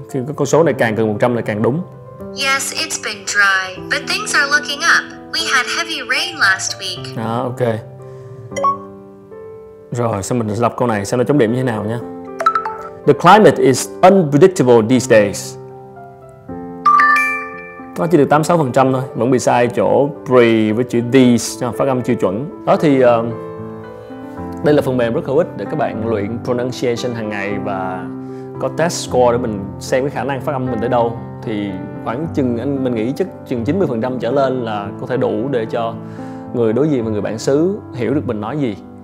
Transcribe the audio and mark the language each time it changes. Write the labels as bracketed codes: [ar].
[vi] Khi có con số này càng gần 100 là càng đúng. [en] Yes, it's been dry, but things are looking up. We had heavy rain last week. [vi] Đó, ok. Rồi, xem mình lập câu này xem nó chấm điểm như thế nào nhé. [en] The climate is unpredictable these days. [vi] Nó chỉ được 86% thôi, vẫn bị sai chỗ pre với chữ these, phát âm chưa chuẩn. Đó thì đây là phần mềm rất hữu ích để các bạn luyện pronunciation hàng ngày và có test score để mình xem cái khả năng phát âm mình tới đâu. Thì khoảng chừng anh mình nghĩ chắc chừng 90% trở lên là có thể đủ để cho người đối diện và người bản xứ hiểu được mình nói gì.